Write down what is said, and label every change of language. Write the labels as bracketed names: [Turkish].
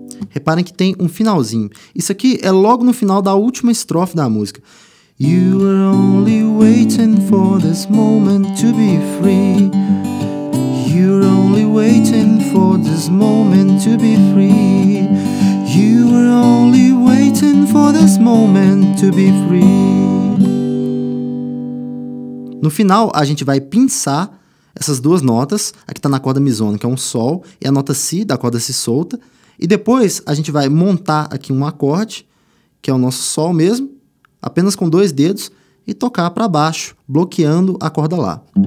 [Portuguese] Reparem que tem um finalzinho. Isso aqui é logo no final da última estrofe da música. [English] You were only waiting for this moment to be free. You're only waiting for this moment to be free. You were only waiting for this moment to be free. [Portuguese] No final, a gente vai pinçar essas duas notas. A que está na corda mizônica, que é um Sol, e a nota Si, da corda Si solta. E depois, a gente vai montar aqui um acorde, que é o nosso Sol mesmo, apenas com dois dedos, e tocar para baixo, bloqueando a corda Lá.